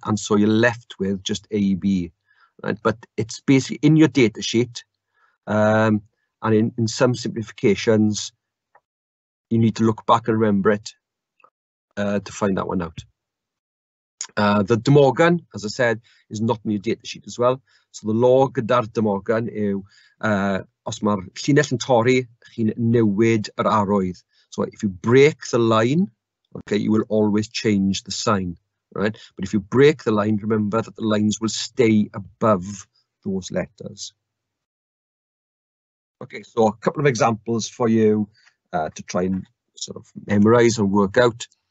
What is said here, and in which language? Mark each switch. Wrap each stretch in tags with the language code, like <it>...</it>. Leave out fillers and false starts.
<en>And so you're left with just A, B, right? But it's basically in your data sheet, and in some simplifications, you need to look back and remember it to find that one out. The De Morgan, as I said, is not in your data sheet as well. So the law</en> <cy>gyda'r De Morgan yw, os mae'r llinell yn torri, chi'n newid yr arwydd.</cy> <en>So if you break the line, okay, you will always change the sign, right? But if you break the line, remember that the lines will stay above those letters. Okay, so a couple of examples for you to try and sort of memorize and work out.</en>